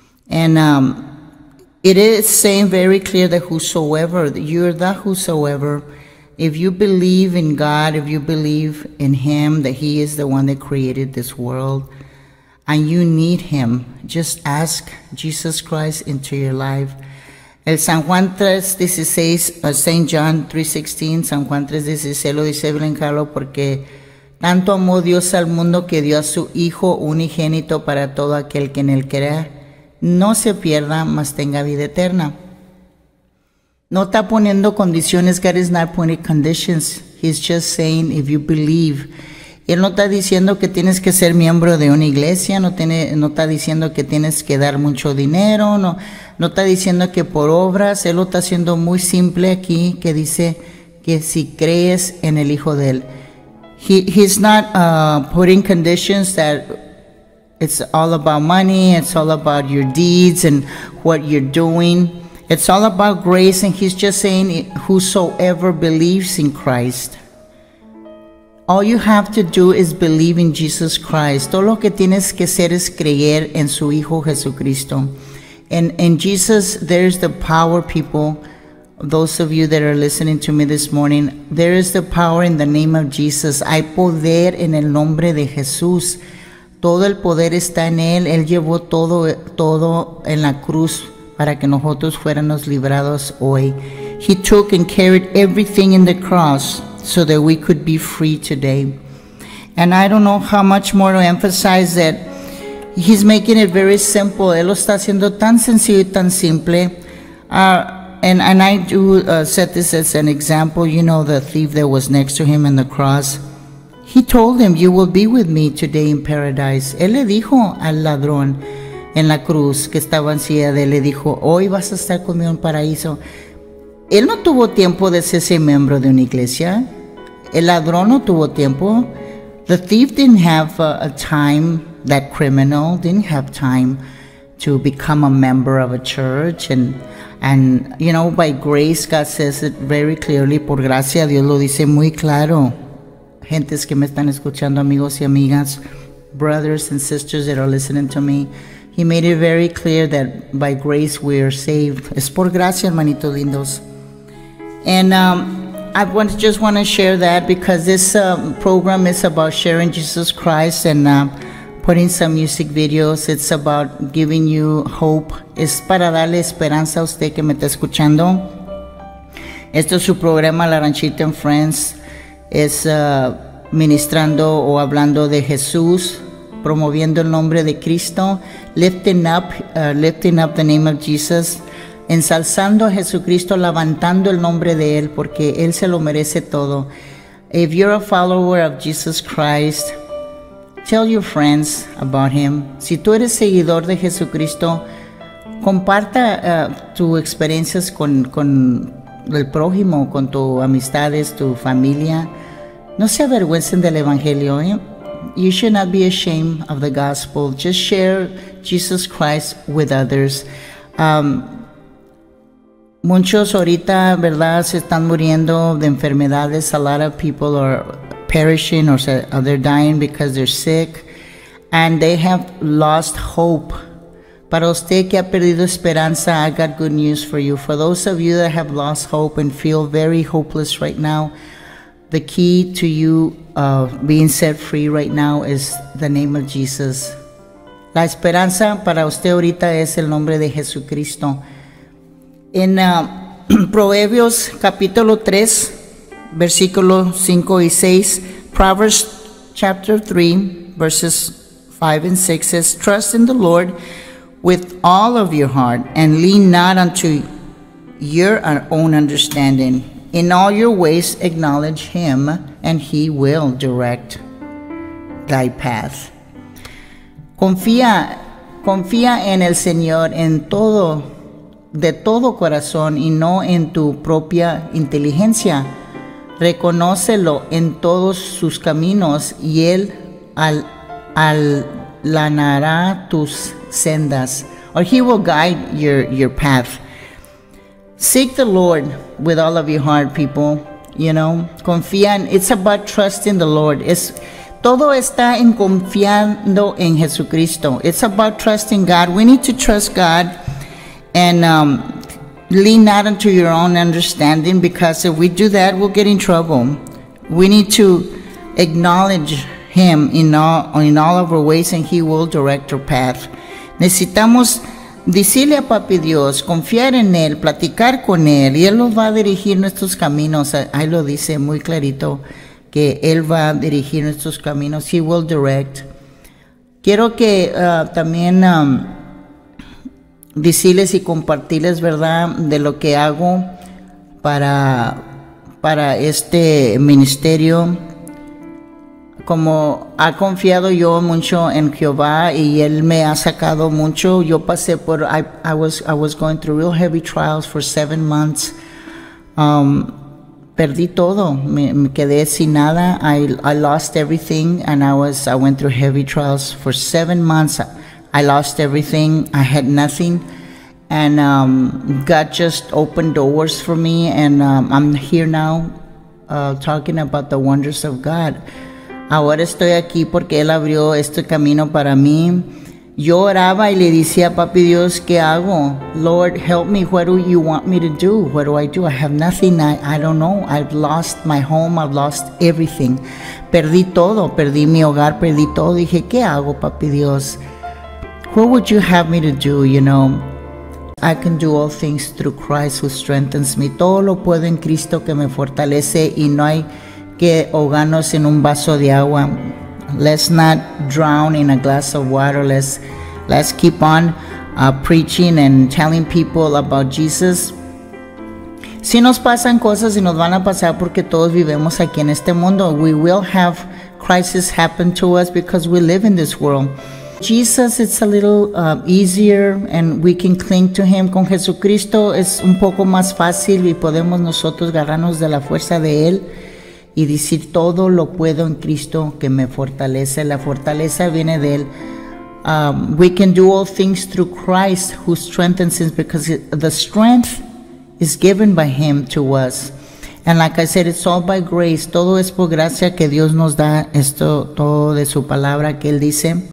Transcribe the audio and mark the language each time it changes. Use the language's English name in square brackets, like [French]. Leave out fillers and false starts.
[English] And it is saying very clear that whosoever, you're the whosoever, if you believe in God, if you believe in Him, that He is the one that created this world, and you need Him, just ask Jesus Christ into your life. [Spanish] El San Juan 3:16, St. John 3:16, San Juan 3:16, lo dice bien claro, porque tanto amó Dios al mundo que dio a su Hijo unigénito para todo aquel que en Él crea, no se pierda, mas tenga vida eterna. No está poniendo condiciones. [English] God is not putting conditions. He's just saying, if you believe. [Spanish] Él no está diciendo que tienes que ser miembro de una iglesia. No está diciendo que tienes que dar mucho dinero. No está diciendo que por obras. Él lo está haciendo muy simple aquí, que dice que si crees en el Hijo de Él. [English] He's not putting conditions that... It's all about money, it's all about your deeds and what you're doing. It's all about grace, and he's just saying, whosoever believes in Christ. All you have to do is believe in Jesus Christ. [Spanish] Todo lo que tienes que hacer es creer en su Hijo Jesucristo. [English] And in Jesus, there's the power, people. Those of you that are listening to me this morning, there is the power in the name of Jesus. [Spanish] Hay poder en el nombre de Jesús. Todo el poder está en Él. Él llevó todo en la cruz para que nosotros fuéramos librados hoy. [English] He took and carried everything in the cross so that we could be free today. And I don't know how much more to emphasize that he's making it very simple. [Spanish] Él lo está haciendo tan sencillo y tan simple. [English] And I do set this as an example. You know, the thief that was next to him in the cross. He told him, you will be with me today in paradise. [Spanish] Él le dijo al ladrón en la cruz que estaba en silla de él, le dijo, hoy vas a estar conmigo en paraíso. Él no tuvo tiempo de ser miembro de una iglesia. El ladrón no tuvo tiempo. [English] The thief didn't have a time, that criminal didn't have time to become a member of a church. And you know, by grace, God says it very clearly. [Spanish] Por gracia, Dios lo dice muy claro. Gentes que me están escuchando, amigos y amigas, [English] brothers and sisters that are listening to me, he made it very clear that by grace we are saved. [Spanish] Es por gracia, hermanitos lindos. [English] And I just want to share that because this program is about sharing Jesus Christ and putting some music videos. It's about giving you hope. [Spanish] Es para darle esperanza a usted que me está escuchando. Este es su programa, La Ranchita and Friends. Es ministrando o hablando de Jesús, promoviendo el nombre de Cristo, [English] lifting up the name of Jesus, [Spanish] ensalzando a Jesucristo, levantando el nombre de Él, porque Él se lo merece todo. [English] If you're a follower of Jesus Christ, tell your friends about Him. [Spanish] Si tú eres seguidor de Jesucristo, comparta tus experiencias con el prójimo, con tus amistades, tu familia. No se avergüencen del Evangelio, ¿eh? [English] You should not be ashamed of the gospel. Just share Jesus Christ with others. [Spanish] Muchos ahorita, ¿verdad?, se están muriendo de enfermedades. [English] A lot of people are perishing or they're dying because they're sick. And they have lost hope. [Spanish] Para usted que ha perdido esperanza, [English] I got good news for you. For those of you that have lost hope and feel very hopeless right now, the key to you being set free right now is the name of Jesus. [Spanish] La esperanza para usted ahorita es el nombre de Jesucristo. En Proverbios capítulo 3, versículos 5 y 6, [English] Proverbs chapter 3, verses 5 and 6 says, "Trust in the Lord with all of your heart and lean not unto your own understanding. In all your ways acknowledge Him and He will direct thy path." [Spanish] Confía en el Señor en todo, de todo corazón, y no en tu propia inteligencia. Reconócelo en todos sus caminos y Él allanará tus sendas. [English] Or He will guide your path. Seek the Lord with all of your heart, people. You know, [Spanish] confía en, [English] it's about trusting the Lord. [Spanish] Es, todo está en confiando en Jesucristo. [English] It's about trusting God. We need to trust God. And lean not unto your own understanding, because if we do that, we'll get in trouble. We need to acknowledge Him in all of our ways, and He will direct our path. [Spanish] Necesitamos decirle a Papi Dios, confiar en Él, platicar con Él, y Él nos va a dirigir nuestros caminos. Ahí lo dice muy clarito, que Él va a dirigir nuestros caminos. [English] He will direct. [Spanish] Quiero que también... decirles y compartirles, ¿verdad?, de lo que hago para este ministerio. Como ha confiado yo mucho en Jehová y Él me ha sacado mucho, yo pasé por, [English] I was going through real heavy trials for 7 months. [Spanish] Perdí todo, me quedé sin nada. [English] I lost everything, and I went through heavy trials for 7 months. I lost everything, I had nothing. And God just opened doors for me, and I'm here now talking about the wonders of God. [Spanish] Ahora estoy aquí porque Él abrió este camino para mí. Yo oraba y le decía, Papi Dios, ¿qué hago? [English] Lord, help me. What do you want me to do? What do I do? I have nothing. I don't know. I've lost my home. I've lost everything. [Spanish] Perdí todo. Perdí mi hogar. Perdí todo. Dije, ¿qué hago, Papi Dios? [English] What would you have me to do, you know? I can do all things through Christ who strengthens me. [Spanish] Todo lo puedo en Cristo que me fortalece, y no hay que ahogarnos en un vaso de agua. [English] Let's not drown in a glass of water. Let's keep on preaching and telling people about Jesus. [Spanish] Si nos pasan cosas, y nos van a pasar porque todos vivimos aquí en este mundo, [English] we will have crises happen to us because we live in this world. Jesus, it's a little easier, and we can cling to Him. [Spanish] Con Jesucristo es un poco más fácil, y podemos nosotros agarrarnos de la fuerza de Él y decir, todo lo puedo en Cristo que me fortalece. La fortaleza viene de Él. [English] We can do all things through Christ who strengthens us, because the strength is given by Him to us. And like I said, it's all by grace. [Spanish] Todo es por gracia que Dios nos da, esto todo de su palabra que Él dice.